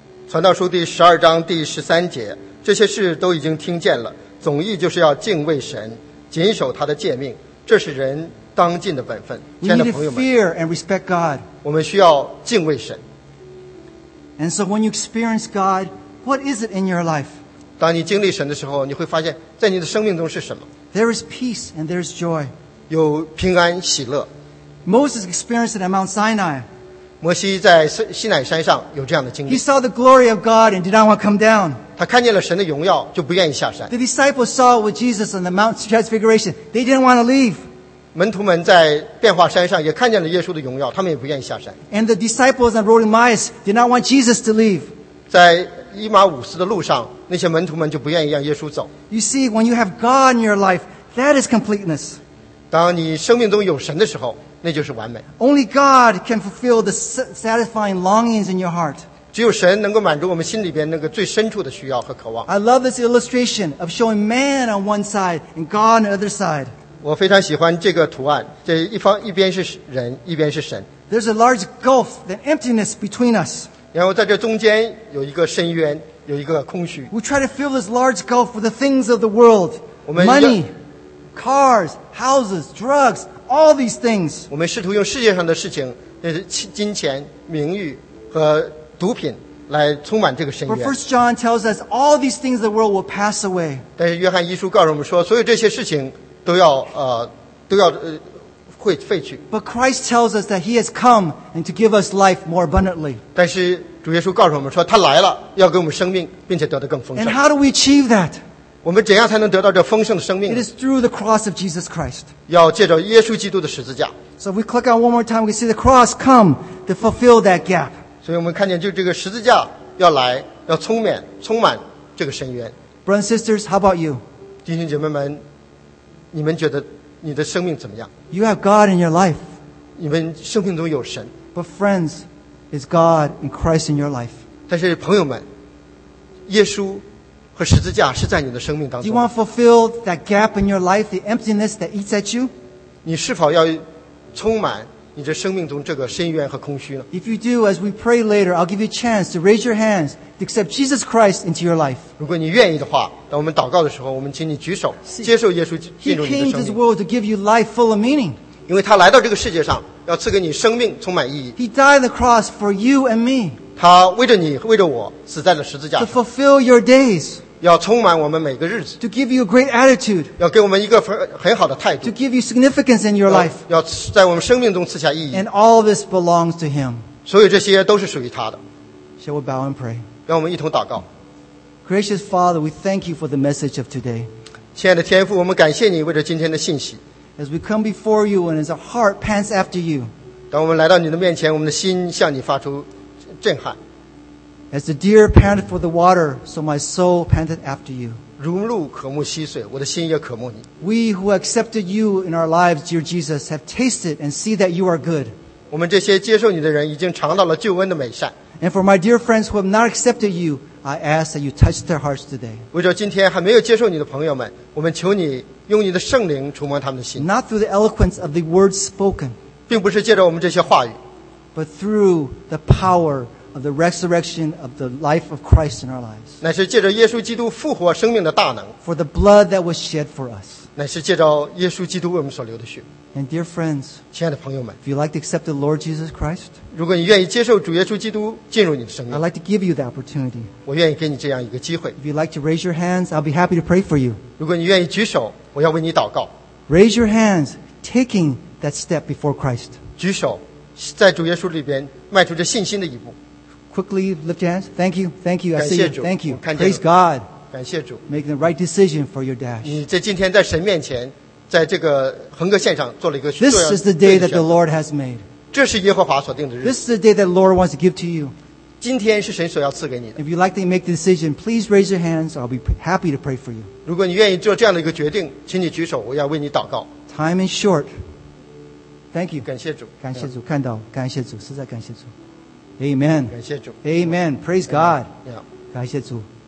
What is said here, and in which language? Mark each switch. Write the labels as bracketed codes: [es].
[zh] 传道书第十二章第十三节，这些事都已经听见了。总意就是要敬畏神，谨守他的诫命，这是人当尽的本分。亲爱的朋友们， [en] fear and respect God. [zh] 我们需要敬畏神。 [en] And so when you experience God, what is it in your life? [zh] 当你经历神的时候，你会发现在你的生命中是什么。 [en] There is peace and there is joy. [zh] 有平安喜乐。 [en] Moses experienced it at Mount Sinai. [zh] 摩西在西乃山上有这样的经历。 [en] He saw the glory of God and did not want to come down. [zh] 他看见了神的荣耀，就不愿意下山。 [en] The disciples saw it with Jesus on the Mount Transfiguration. They didn't want to leave. [zh] 门徒们在变化山上也看见了耶稣的荣耀，他们也不愿意下山。 [en] And the disciples on the road to Emmaus did not want Jesus to leave. [zh] 在以马忤斯的路上，那些门徒们就不愿意让耶稣走。 [en] You see, when you have God in your life, that is completeness. [zh] 当你生命中有神的时候，那就是完美。 [en] Only God can fulfill the satisfying longings in your heart. [zh] 只有神能够满足我们心里边那个最深处的需要和渴望。 [en] I love this illustration of showing man on one side and God on the other side. [zh] 我非常喜欢这个图案，这一方一边是人，一边是神。 [en] There's a large gulf, an emptiness between us. [zh] 然后在这中间有一个深渊，有一个空虚。 [en] We try to fill this large gulf with the things of the world, money, cars, houses, drugs, all these things. [zh] 我们试图用世界上的事情，就是金钱、名誉和毒品。来充满这个深渊。 [en] But First John tells us all these things of the world will pass away. [zh] 但是约翰一书告诉我们说，所有这些事情。都要都要会废去。 [en] But Christ tells us that He has come and to give us life more abundantly. [zh] 但是主耶稣告诉我们说，他来了，要给我们生命，并且得到更丰盛。 [en] And how do we achieve that? [zh] 我们怎样才能得到这丰盛的生命？ [en] It is through the cross of Jesus Christ. [zh] 要借着耶稣基督的十字架。 [en] So if we click on one more time, we see the cross come to fulfill that gap. [zh] 所以我们看见就这个十字架要来，要充满这个深渊。 [en] Brothers and sisters, how about you? [zh] 弟兄姐妹们。你们觉得你的生命怎么样？ [en] You have God in your life. [zh] 你们生命中有神。 [en] But friends, is God in Christ in your life? [zh] 但是朋友们，耶稣和十字架是在你的生命当中。 [en] Do you want to fulfill that gap in your life, the emptiness that eats at you? [zh] 你是否要充满你的生命中这个深渊和空虚呢？ [en] If you do, as we pray later, I'll give you a chance to raise your hands to accept Jesus Christ into your life. [zh] 如果你愿意的话，当我们祷告的时候，我们请你举手，接受耶稣进入你的生命。 [en] He came to this world to give you life full of meaning. [zh] 因为他来到这个世界上，要赐给你生命充满意义。 [en] He died on the cross for you and me. [zh] 他为着你，为着我，死在了十字架上。 [en] To fulfill your days. [zh] 要充满我们每个日子。 [en] To give you a great attitude. [zh] 要给我们一个很好的态度。 [en] To give you significance in your life. [zh] 要在我们生命中赐下意义。 [en] And all this belongs to Him. [zh] 所有这些都是属于他的。 [en] Shall we bow and pray? [zh] 让我们一同祷告。 [en] Gracious Father, we thank you for the message of today. [zh] 亲爱的天父，我们感谢你为着今天的信息。 [en] As we come before you and as our heart pants after you. [zh] 当我们来到你的面前，我们的心向你发出震撼。 [en] As the deer panted for the water, so my soul panted after you. [zh] 如鹿渴慕溪水，我的心也渴慕你。 [en] We who accepted you in our lives, dear Jesus, have tasted and see that you are good. [zh] 我们这些接受你的人已经尝到了救恩的美善。 [en] And for my dear friends who have not accepted you, I ask that you touch their hearts today. [zh] 为着今天还没有接受你的朋友们，我们求你用你的圣灵触摸他们的心。 [en] Not through the eloquence of the words spoken, [zh] 并不是借着我们这些话语， [en] but through the power of the resurrection of the life of Christ in our lives. [zh] 乃是借着耶稣基督复活生命的大能。 [en] For the blood that was shed for us. [zh] 乃是借着耶稣基督为我们所流的血。 [en] And dear friends, [zh] 亲爱的朋友们, [en] if you'd like to accept the Lord Jesus Christ, [zh] 如果你愿意接受主耶稣基督进入你的生命, [en] I'd like to give you the opportunity. [zh] 我愿意给你这样一个机会。 [en] If you'd like to raise your hands, I'll be happy to pray for you. [zh] 如果你愿意举手, 我要为你祷告。 [en] Raise your hands, taking that step before Christ. [zh] 举手, 在主耶稣里边迈出这信心的一步。 [en] Quickly lift your hands. Thank you, thank you. I see you. Thank you. [zh] 我看见了。 [en] Praise God. [zh] 感谢主。 [en] Making the right decision for your dash. [zh] 你在今天在神面前在这个横戈线上做了一个选择。 [en] This is the day that the Lord has made. [zh] 这是耶和华所定的日子。 [en] This is the day that the Lord wants to give to you. [zh] 今天是神所要赐给你的。 [en] If you'd like to make the decision, please raise your hands. I'll be happy to pray for you. [zh] 如果你愿意做这样的一个决定，请你举手，我要为你祷告。 [en] Time is short. Thank you. [zh] 感谢主，感谢主，看到，感谢主，实在感谢主。 [en] Amen. [zh] 感谢主。 [en] Amen. Praise God. [zh] 感谢主。